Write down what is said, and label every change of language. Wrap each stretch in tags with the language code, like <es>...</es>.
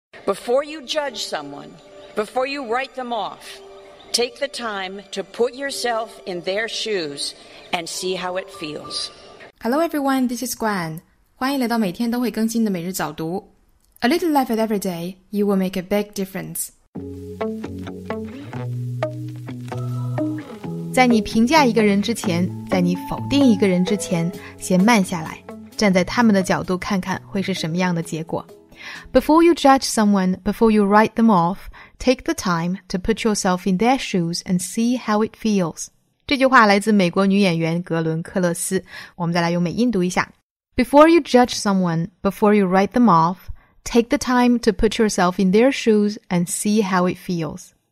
<en>Before you judge someone, before you write them off, take the time to put yourself in their shoes and see how it feels. Hello everyone, this is Gwen.</en> <zh>欢迎来到每天都会更新的每日早读。</zh> <en>A little life at every day, you will make a big difference.</en> <zh>在你评价一个人之前，在你否定一个人之前，先慢下来，站在他们的角度看看会是什么样的结果。</zh> <en>Before you judge someone, before you write them off, take the time to put yourself in their shoes and see how it feels.</en> <zh>这句话来自美国女演员格伦·克勒斯。我们再来用美音读一下。</zh> <en>Before you judge someone, before you write them off, take the time to put yourself in their shoes and see how it feels.</en>